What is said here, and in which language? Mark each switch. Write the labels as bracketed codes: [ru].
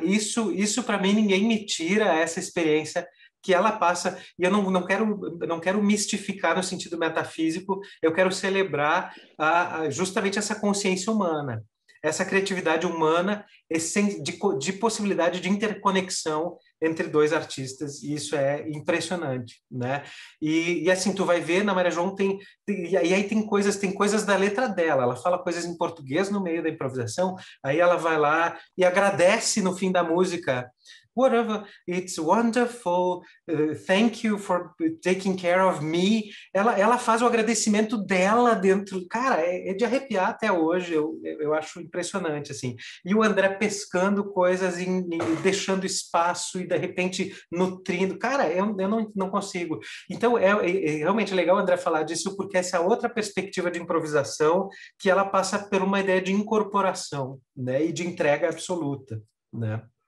[pt] Isso para mim, ninguém me tira essa experiência que ela passa, e eu não quero mistificar no sentido metafísico, eu quero celebrar justamente essa consciência humana, essa criatividade humana de possibilidade de interconexão entre dois artistas, e isso é impressionante, né? E assim, tu vai ver, na Maria João tem coisas da letra dela, ela fala coisas em português no meio da improvisação, aí ela vai lá e agradece no fim da música, [en] whatever, it's wonderful, thank you for taking care of me. [pt] Ela faz o agradecimento dela dentro, cara, é de arrepiar até hoje, eu acho impressionante, assim. E o André pescando coisas e deixando espaço e, de repente, nutrindo. Cara, eu não consigo. Então, é realmente legal o André falar disso, porque essa é outra perspectiva de improvisação, que ela passa por uma ideia de incorporação, né, e de entrega absoluta, né?